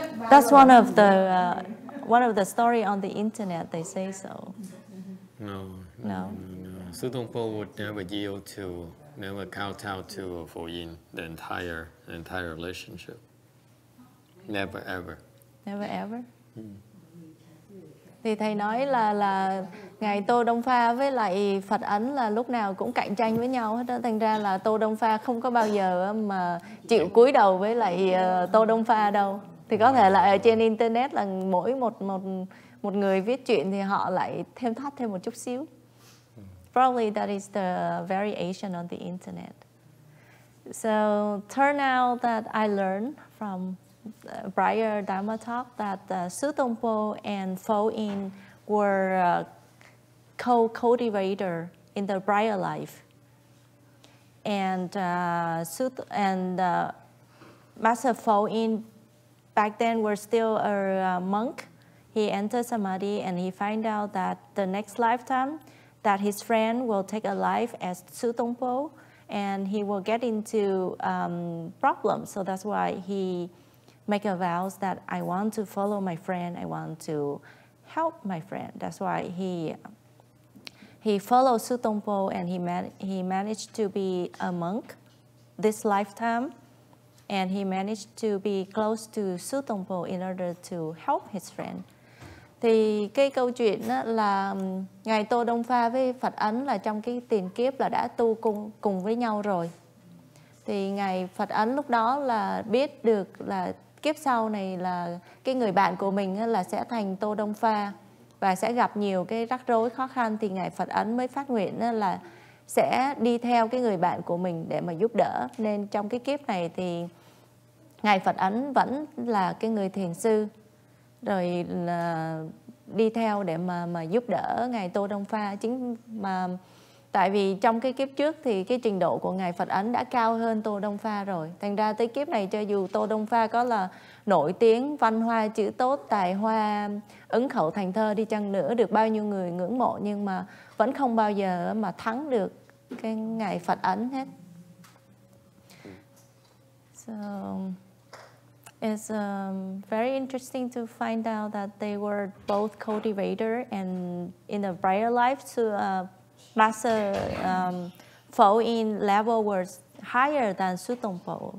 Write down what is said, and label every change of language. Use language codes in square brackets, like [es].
[en] That's one of the story on the internet. They say so. No. Su Tong Po would never yield to, never kowtow to Bồ Yên, the entire relationship. Never ever. Never ever. [vi] Thì thầy nói là ngài Tô Đông Pha với lại Phật Ấn là lúc nào cũng cạnh tranh với nhau hết đó. Thành ra là Tô Đông Pha không có bao giờ mà chịu cúi đầu với lại Tô Đông Pha đâu. Thì có thể là ở trên internet là mỗi một người viết chuyện thì họ lại thêm thắt thêm một chút xíu. [en] Probably that is the variation on the internet. So turn out that I learned from prior Dharma talk that Su Tong Po and Pho Yin were co-cultivator in the prior life, and Master Pho Yin back then were still a monk. He entered samadhi and he find out that the next lifetime that his friend will take a life as Su Tong Po, and he will get into problems. So that's why he make a vows that I want to follow my friend, I want to help my friend. That's why he followed Su Tong Po, and he managed to be a monk this lifetime, and he managed to be close to Su Tong Po in order to help his friend. [vi] Thì cái câu chuyện đó là ngài Tô Đông Pha với Phật Ấn là trong cái tiền kiếp là đã tu cùng với nhau rồi. Thì ngài Phật Ấn lúc đó là biết được là kiếp sau này là cái người bạn của mình là sẽ thành Tô Đông Pha và sẽ gặp nhiều cái rắc rối khó khăn, thì ngài Phật Ấn mới phát nguyện là sẽ đi theo cái người bạn của mình để mà giúp đỡ. Nên trong cái kiếp này thì ngài Phật Ấn vẫn là cái người thiền sư, rồi là đi theo để mà giúp đỡ ngài Tô Đông Pha. Chính mà tại vì trong cái kiếp trước thì cái trình độ của ngài Phật Ấn đã cao hơn Tô Đông Pha rồi. Thành ra tới kiếp này cho dù Tô Đông Pha có là nổi tiếng, văn hoa, chữ tốt, tài hoa, ứng khẩu thành thơ đi chăng nữa, được bao nhiêu người ngưỡng mộ, nhưng mà vẫn không bao giờ mà thắng được cái ngài Phật Ấn hết. [en] So, it's very interesting to find out that they were both cultivator and in a prior life to Master Pho Yin level was higher than Su Tong Po.